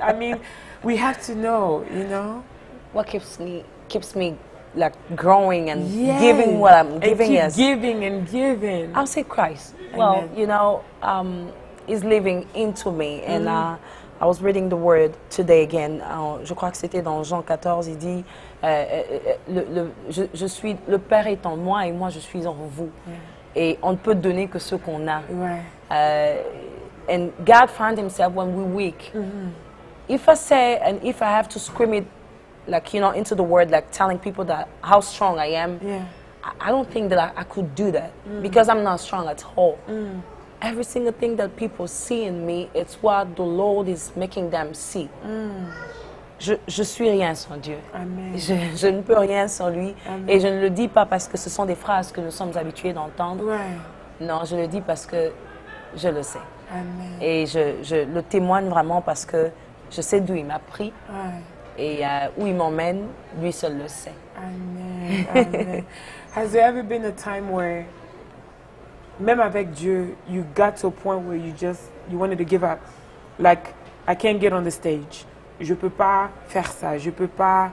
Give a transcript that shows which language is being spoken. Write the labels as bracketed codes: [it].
[en] I mean, we have to know, you know? What keeps me like growing and giving what I'm giving, and giving. I'll say Christ. Amen. Well, he's living into me. Mm-hmm. And I was reading the word today again. [fr] Je crois que c'était dans Jean 14. Il dit, je suis le Père est en moi et moi je suis en vous. [en] Yeah. [fr] Et on ne peut donner que ce qu'on a. [en] Right. And God found Himself when we're weak. Mm-hmm. If I say and if I have to scream it. Like, into the world, like telling people that how strong I am. Yeah. I don't think that I could do that because I'm not strong at all. Mm. Every single thing that people see in me, it's what the Lord is making them see. Mm. [fr] Je suis rien sans Dieu. Amen. Je ne peux rien sans lui. Amen. Et je ne le dis pas parce que ce sont des phrases que nous sommes habitués d'entendre. Ouais. Non, je le dis parce que je le sais. Amen. Et je le témoigne vraiment parce que je sais d'où il m'a pris. Ouais. Et où il m'emmène, lui seul le sait. Amen. [en] Has there ever been a time where, [fr] même avec Dieu, [en] you got to a point where you wanted to give up? Like, I can't get on the stage. [fr] je ne peux pas faire ça, je ne peux pas.